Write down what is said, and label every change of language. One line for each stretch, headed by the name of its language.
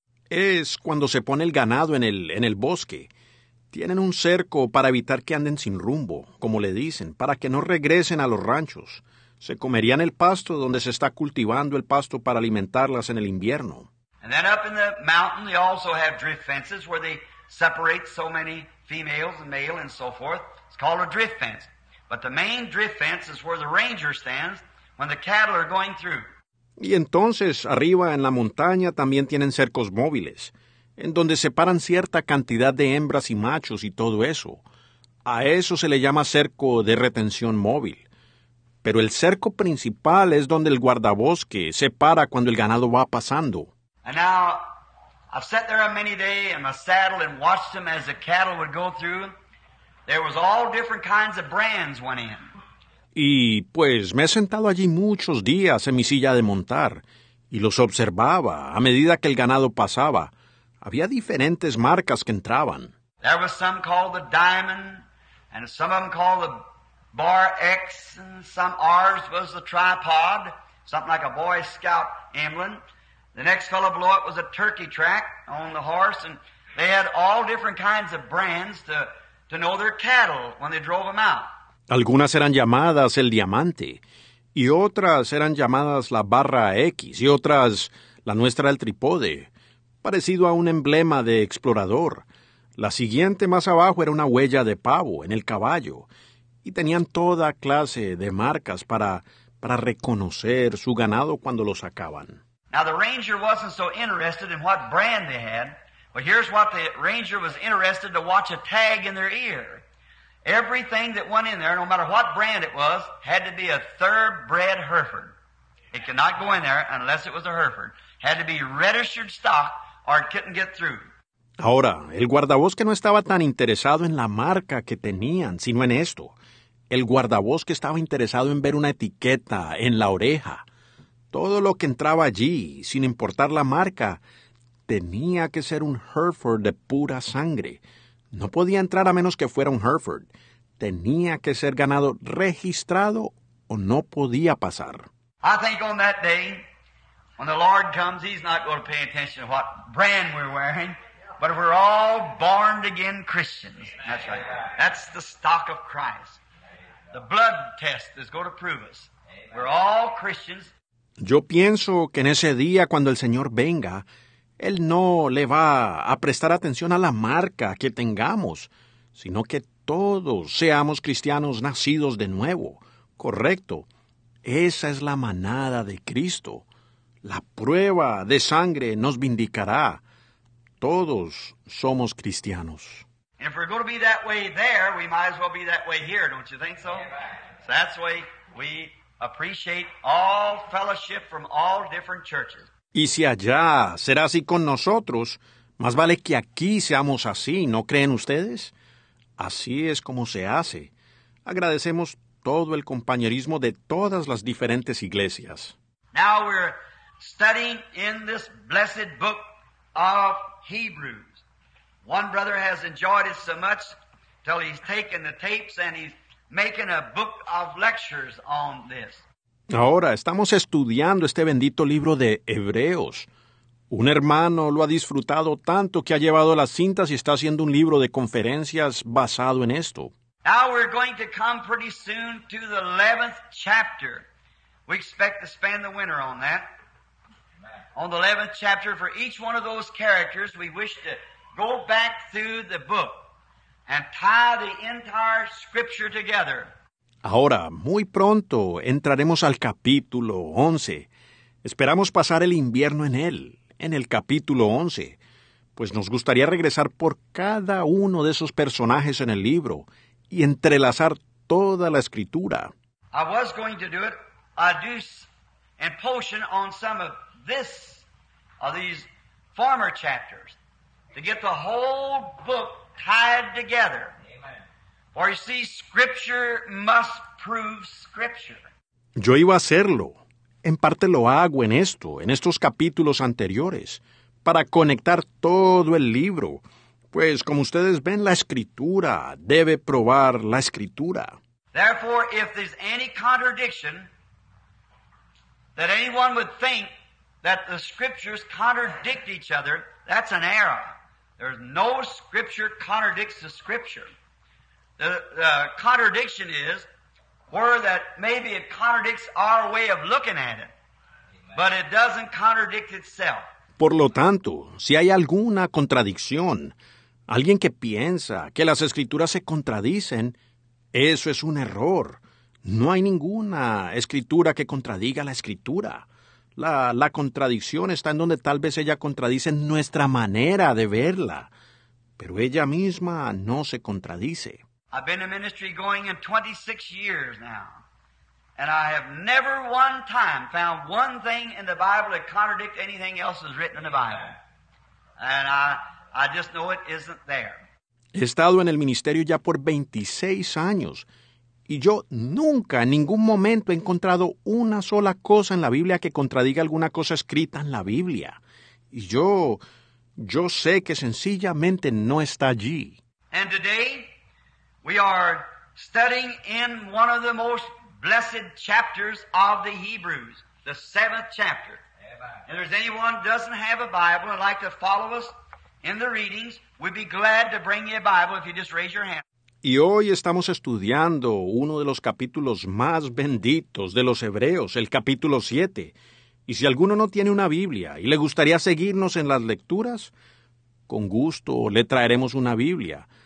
Spanish: Es cuando se pone el ganado en el bosque. Tienen un cerco para evitar que anden sin rumbo, como le dicen, para que no regresen a los ranchos. Se comerían el pasto donde se está cultivando el pasto para alimentarlas en el invierno.
English: And then up in the mountain, they also have drift fences where they separate so many females and male and so forth. It's called a drift fence. But the main drift fence is where the ranger stands when the cattle are going through.
Spanish: Y entonces, arriba en la montaña también tienen cercos móviles, en donde separan cierta cantidad de hembras y machos y todo eso. A eso se le llama cerco de retención móvil. Pero el cerco principal es donde el guardabosque se para cuando el ganado va pasando.
English: And now, I've sat there a many day in my saddle and watched them as the cattle would go through. There was all different kinds of brands went in.
Spanish: Y pues me he sentado allí muchos días en mi silla de montar y los observaba a medida que el ganado pasaba. Había diferentes marcas que entraban.
English: There was some called the Diamond and some of them called the Bar X and some ours was the Tripod, something like a Boy Scout emblem. The next fellow below it was a turkey track on the horse, and they had all different kinds of brands to know their cattle when they drove them out.
Spanish: Algunas eran llamadas el diamante, y otras eran llamadas la barra X, y otras la nuestra el trípode, parecido a un emblema de explorador. La siguiente más abajo era una huella de pavo en el caballo, y tenían toda clase de marcas para reconocer su ganado cuando lo sacaban.
English: Now, the ranger wasn't so interested in what brand they had, but here's what the ranger was interested to watch a tag in their ear. Everything that went in there, no matter what brand it was, had to be a thoroughbred Hereford. It could not go in there unless it was a Hereford. Had to be registered stock or it couldn't get through.
Spanish: Ahora, el guardabosque no estaba tan interesado en la marca que tenían, sino en esto. El guardabosque estaba interesado en ver una etiqueta en la oreja. Todo lo que entraba allí, sin importar la marca, tenía que ser un Hereford de pura sangre. No podía entrar a menos que fuera un Hereford. Tenía que ser ganado registrado o no podía pasar.
English: I think on that day, when the Lord comes, he's not going to pay attention to what brand we're wearing, but if we're all born again Christians. That's right. That's the stock of Christ. The blood test is going to prove us. We're all Christians.
Spanish: Yo pienso que en ese día, cuando el Señor venga, Él no le va a prestar atención a la marca que tengamos, sino que todos seamos cristianos nacidos de nuevo. Correcto. Esa es la manada de Cristo. La prueba de sangre nos vindicará. Todos somos cristianos.
English: If we're going to be that way there, we might as well be that way here, don't you think so? So that's the way we appreciate all fellowship from all different churches.
Spanish: Y si allá será así con nosotros, más vale que aquí seamos así, ¿no creen ustedes? Así es como se hace. Agradecemos todo el compañerismo de todas las diferentes iglesias.
English: Now we're studying in this blessed book of Hebrews. One brother has enjoyed it so much till he's taken the tapes and he's making a book of lectures on this.
Spanish: Ahora estamos estudiando este bendito libro de Hebreos. Un hermano lo ha disfrutado tanto que ha llevado las cintas y está haciendo un libro de conferencias basado en esto.
English: Now we're going to come pretty soon to the 11th chapter. We expect to spend the winter on that. On the 11th chapter, for each one of those characters, we wish to go back through the book and tie the entire scripture together.
Spanish: Ahora, muy pronto, entraremos al capítulo 11. Esperamos pasar el invierno en él, en el capítulo 11. Pues nos gustaría regresar por cada uno de esos personajes en el libro y entrelazar toda la escritura.
English: I was going to do it. I do a portion on some of this, of these former chapters, to get the whole book tied together. For you see, scripture must prove scripture.
Spanish: Yo iba a hacerlo. En parte lo hago en esto, en estos capítulos anteriores, para conectar todo el libro. Pues, como ustedes ven, la escritura debe probar la escritura.
English: Therefore, if there's any contradiction that anyone would think that the scriptures contradict each other, that's an error. There's no scripture contradicts the scripture. The contradiction is where that maybe it contradicts our way of looking at it, but it doesn't contradict itself.
Spanish: Por lo tanto, si hay alguna contradicción, alguien que piensa que las escrituras se contradicen, eso es un error. No hay ninguna escritura que contradiga la escritura. La contradicción está en donde tal vez ella contradice nuestra manera de verla, pero ella misma no se contradice.
English: I've been in ministry going in 26 years now, and I have never one time found one thing in the Bible that contradicts anything else that's written in the Bible. And I just know it isn't there.
Spanish: He estado en el ministerio ya por 26 años, y yo nunca, en ningún momento, he encontrado una sola cosa en la Biblia que contradiga alguna cosa escrita en la Biblia. Y yo sé que sencillamente no está allí.
English: And today, we are studying in one of the most blessed chapters of the Hebrews, the 7th chapter. Amen. And if there's anyone who doesn't have a Bible and would like to follow us in the readings, we'd be glad to bring you a Bible if you just raise your hand.
Spanish: Y hoy estamos estudiando uno de los capítulos más benditos de los Hebreos, el capítulo 7. Y si alguno no tiene una Biblia y le gustaría seguirnos en las lecturas, con gusto le traeremos una Biblia.